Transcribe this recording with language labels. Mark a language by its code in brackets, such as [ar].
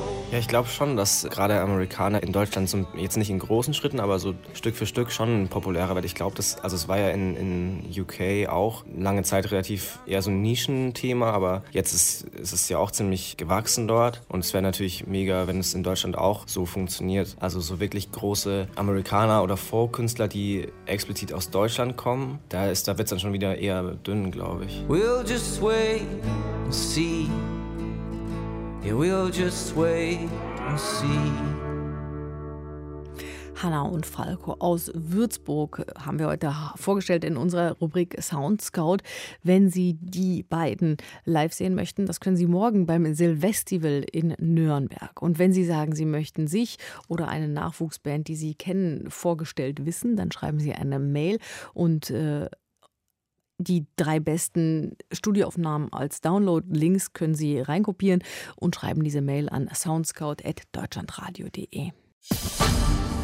[de] Ja, ich glaube schon, dass gerade Amerikaner in Deutschland so, jetzt nicht in großen Schritten, aber so Stück für Stück schon populärer werden. Ich glaube, also es war ja in UK auch lange Zeit relativ eher so ein Nischenthema, aber jetzt ist es ja auch ziemlich gewachsen dort. Und es wäre natürlich mega, wenn es in Deutschland auch so funktioniert. Also so wirklich große Amerikaner oder Folk-Künstler, die explizit aus Deutschland kommen, da wird es dann schon wieder eher dünn, glaube ich. [en] We'll just wait and see. Yeah, we'll just wait and see. [de] Hanna und Falco aus Würzburg haben wir heute vorgestellt in unserer Rubrik Soundscout. Wenn Sie die beiden live sehen möchten, das können Sie morgen beim Silvestival in Nürnberg. Und wenn Sie sagen, Sie möchten sich oder eine Nachwuchsband, die Sie kennen, vorgestellt wissen, dann schreiben Sie eine Mail und die drei besten Studioaufnahmen als Download-Links können Sie reinkopieren und schreiben diese Mail an soundscout@deutschlandradio.de.